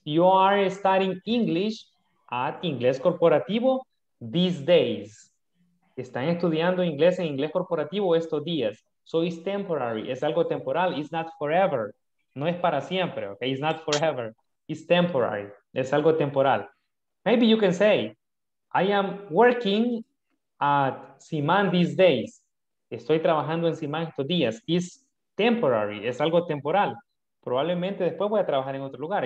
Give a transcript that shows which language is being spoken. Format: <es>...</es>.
<en>You are studying English at Inglés Corporativo these days.</en> <es>Están estudiando inglés en Inglés Corporativo estos días.</es> <en>So it's temporary.</en> <es>Es algo temporal.</es> <en>It's not forever.</en> <es>No es para siempre.</es> <en>Okay? It's not forever. It's temporary. Es algo temporal. Maybe you can say, I am working at CIMAN these days.</en> <es>Estoy trabajando en CIMAN estos días.</es> <en>It's temporary,</en> <es>es algo temporal. Probablemente después voy a trabajar en otro lugar.</es>